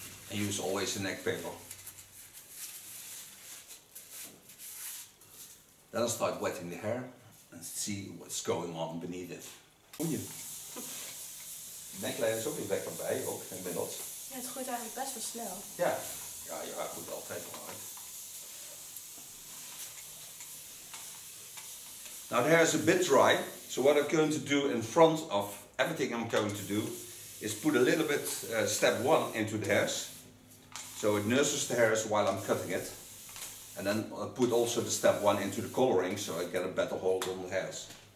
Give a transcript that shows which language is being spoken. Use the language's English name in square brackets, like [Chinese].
[English] And use always the neck paper. Then I'll start wetting the hair and see what's going on beneath it. Oh yeah. [Dutch] De neckline is ook weer lekker bij, ook inmiddels. Ja, het groeit eigenlijk best wel snel. Ja, ja, je haar groeit altijd wel hard. [English] Now the hair is a bit dry, so what I'm going to do in front of everything I'm going to do is put a little bit step one into the hairs. So it nurses the hairs while I'm cutting it. And then put also the step one into the coloring so I get a better hold on the hairs.